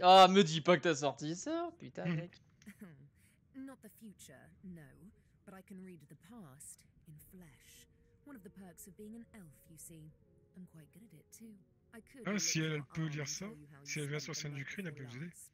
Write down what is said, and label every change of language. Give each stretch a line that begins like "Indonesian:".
French: Ah, me dis pas que t'as sorti ça, putain, mec.
English: Not the future, no. But I can read the past in flesh. One of the perks of being an elf, you see. I'm quite good at it too. I could.
French: Ah, si elle peut lire ça, si elle vient sur scène du cri, elle peut vous aider.